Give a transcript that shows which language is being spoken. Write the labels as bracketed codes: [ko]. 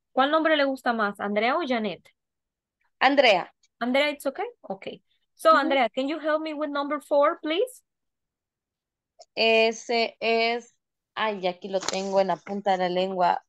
[es] ¿Cuál nombre le gusta más, Andrea o Janet? Andrea. [en] Andrea, it's okay? Okay. So, mm-hmm. Andrea, can you help me with number four, please? [es] Ese es... Ay, aquí lo tengo en la punta de la lengua.